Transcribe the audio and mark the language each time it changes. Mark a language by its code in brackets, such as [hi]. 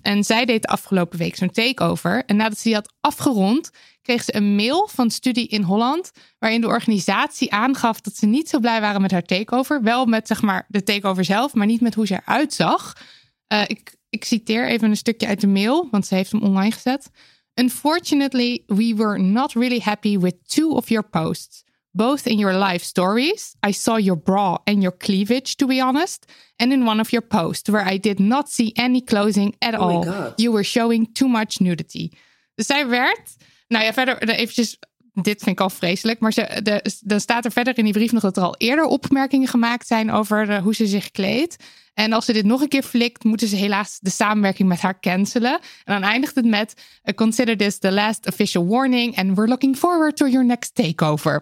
[nl] En zij deed de afgelopen week zo'n takeover. En nadat ze die had afgerond, kreeg ze een mail van Study in Holland, waarin de organisatie aangaf dat ze niet zo blij waren met haar takeover. Wel met zeg maar de takeover zelf, maar niet met hoe ze eruit zag. Ik citeer even een stukje uit de mail, want ze heeft hem online gezet. [en] Unfortunately, we were not really happy with 2 of your posts. Both in your life stories, I saw your bra and your cleavage, to be honest, and in one of your posts, where I did not see any clothing at all. Oh my God. You were showing too much nudity. [nl] Dus zij werd, nou ja, verder eventjes dit vind ik al vreselijk. Maar dan staat er verder in die brief nog dat er al eerder opmerkingen gemaakt zijn over hoe ze zich kleedt. En als ze dit nog een keer flikt, moeten ze helaas de samenwerking met haar cancelen. En dan eindigt het met, [en] consider this the last official warning and we're looking forward to your next takeover.